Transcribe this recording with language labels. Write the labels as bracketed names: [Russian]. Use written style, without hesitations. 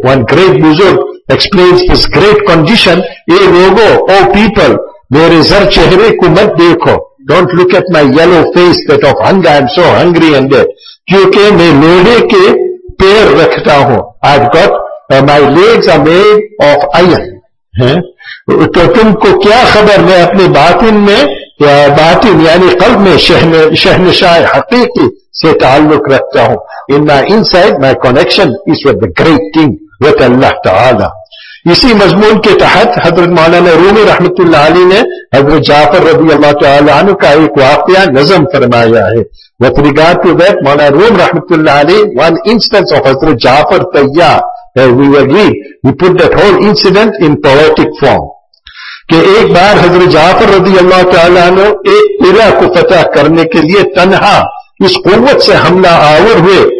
[English] One great buzurg explains this great condition. [Urdu] Ye logo, [English] oh people, [Urdu] mere zar chehre ko mat dekho. [English] Don't look at my yellow face, that of hunger. I'm so hungry and dead. [Urdu] Kyunki main lohe ke pair rakhta hu. [English] I've got my legs are made of iron. [Urdu] To tumko kya khabar main apne batin mein باطن یعنی قلب میں شہنشاہ حقیقی سے تعلق رکھتا ہوں. [English] In my inside, my connection is with the great king, with Allah Ta'ala. [Urdu] اسی مضمون کے تحت حضرت مولانا رومی رحمت اللہ علی نے حضرت جعفر رضی اللہ تعالی عنہ کا ایک واقعہ نظم فرمایا ہے. [English] With regard to that, Maulana Rum رحمت اللہ علی, one instance of حضرت Jafar Tayyar, we agreed, we put that whole incident in poetic form. [Urdu] کہ ایک بار حضرت جعفر رضی اللہ تعالیٰ عنہ ایک قلعہ کو فتح کرنے کے لیے تنہا اس قوت سے حملہ آور ہوئے.